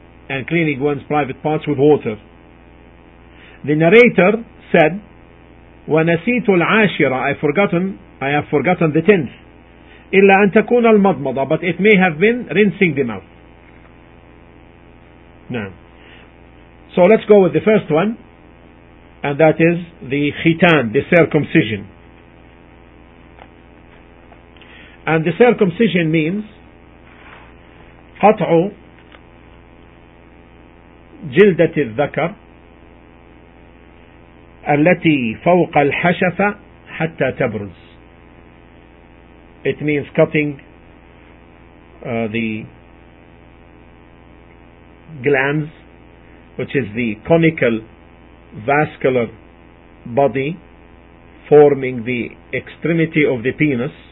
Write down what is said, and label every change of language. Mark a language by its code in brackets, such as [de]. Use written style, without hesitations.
[en] and cleaning one's private parts with water. The narrator said, [ar] وَنَسِيتُ الْعَاشِرَةِ [en] I have forgotten the tenth. [ar] إِلَّا أَن تَكُونَ الْمَضْمَضَةِ [en] But it may have been rinsing the mouth. [ar] نعم. [en] So let's go with the first one, and that is the khitan, the circumcision. And the circumcision means [ar] قَطْعُ جِلْدَةِ الذَّكَرِ التي فوق الحشفة حتى تبرز. [en] It means cutting the glands, which is the conical vascular body forming the extremity of the penis.